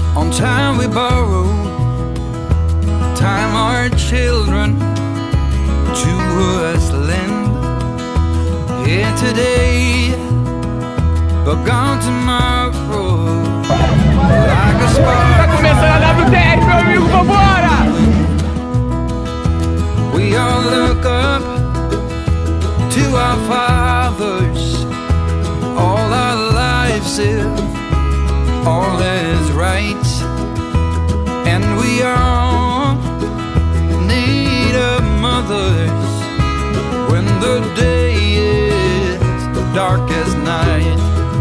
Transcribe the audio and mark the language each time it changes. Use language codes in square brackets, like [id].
[en] Time we borrow, time our children to us lend. Here today, but gone tomorrow. Like a spark. [pt] Tá começando a WTR, meu amigo, vambora! [en] We all look up to our fathers, all our lives if all is right. And we all need a mother's when the day is dark as night.